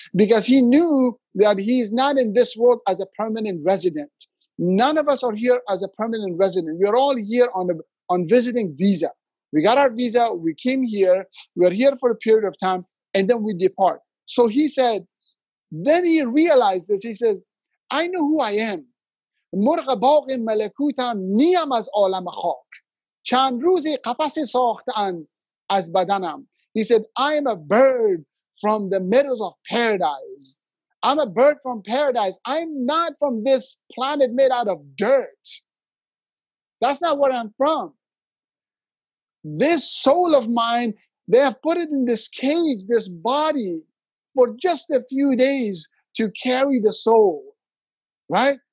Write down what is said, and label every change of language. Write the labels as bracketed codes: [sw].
[en] Because he knew that he is not in this world as a permanent resident. None of us are here as a permanent resident. We're all here on visiting visa. We got our visa, we came here, we're here for a period of time, and then we depart. So he said, then he realized this. He said, I know who I am. [fa] مرغ باغ ملکوتم نیم از عالم خاک چند روزی قفس ساختن از بدنم. [en] He said, I am a bird from the meadows of paradise. I'm a bird from paradise. I'm not from this planet made out of dirt. That's not where I'm from. This soul of mine, they have put it in this cage, this body, for just a few days to carry the soul, right?